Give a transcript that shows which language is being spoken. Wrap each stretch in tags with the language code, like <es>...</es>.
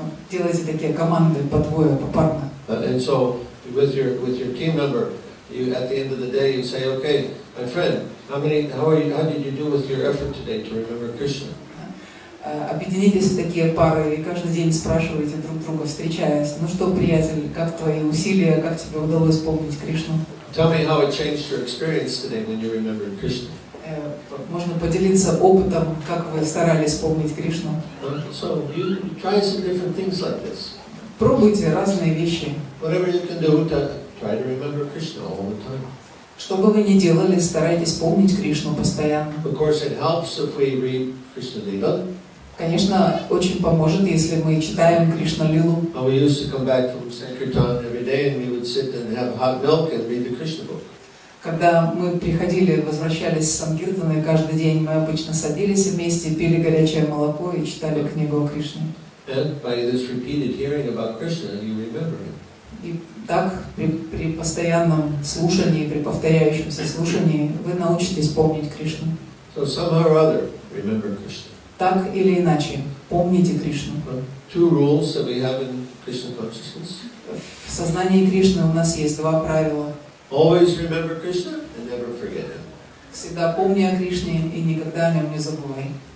<ru>Делайте такие команды по двое, попарно.</ru> <en>And so with your team member, you at the end of the day you say, okay, my friend, how did you do with your effort today to remember Krishna?</en> <ru>Объединитесь в такие пары и каждый день спрашивайте друг друга, встречаясь, ну что, приятель, как твои усилия, как тебе удалось помнить Кришну?</ru> <en>Tell me how it changed your experience today when you remembered Krishna.</en> <ru>Можно поделиться опытом, как вы старались помнить Кришну.</ru> <en>So you try some different things like this.</en> <ru>Пробуйте разные вещи.</ru> <en>Whatever you can do to try to remember Krishna all the time.</en> <ru>Что бы вы ни делали, старайтесь помнить Кришну постоянно.</ru> <en>Of course it helps if we read Krishna Lila.</en> <ru>Конечно, очень поможет, если мы читаем Кришна Лилу.</ru> <en>We used to come back from Sankirtan every day and we would sit and have hot milk and read the Krishna book.</en> <ru>Когда мы приходили, возвращались с Сангиртаны, каждый день мы обычно садились вместе, пили горячее молоко и читали книгу о Кришне.</ru> <en>And by this repeated hearing about Krishna, you remember him.</en> <ru>И так, при постоянном слушании, при повторяющемся слушании, вы научитесь помнить Кришну.</ru> <en>So somehow or other, remember Krishna.</en> <ru>Так или иначе, помните Кришну.</ru> <en>Two rules that we have in Krishna consciousness.</en> <ru>В сознании Кришны у нас есть два правила.</ru> <en>Always remember Krishna and never forget him.</en> <ru>Всегда помни о Кришне и никогда о нем не забывай.</ru>